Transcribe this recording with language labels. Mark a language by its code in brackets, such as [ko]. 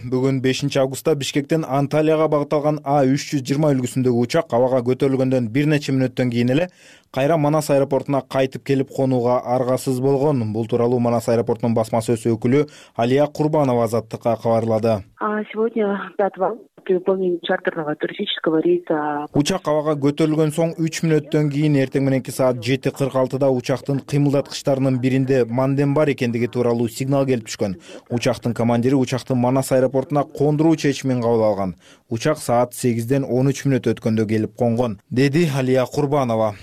[ky] Бүгүн 5-августта Бишкектен Анталияга багытталган A320 үлгүсүндөгү учак абага көтөрүлгөндөн бир нече мүнөттөн кийин эле кайра Манас аэропортуна кайтып келип конууга аргасыз болгон. Бул тууралуу Манас аэропортунун басма сөз өкүлү Алия Курбанова азаттыкка кабарлады. [ru] Сегодня 5-го выполнение чартерного туристического рейса. [ky] Учак абага көтөрүлгөн соң 3 мүнөттөн кийин эртең мененки саат 7:46 учактын кыймылдаткычтарынын биринде мандем бар экендиги тууралуу сигнал келип түшкөн. Учактын командири учакты Манас аэропортуна кондуруу чечимин кабыл алган. Учак саат 8:13 өткөндө келип конгон, деди Алия Курбанова.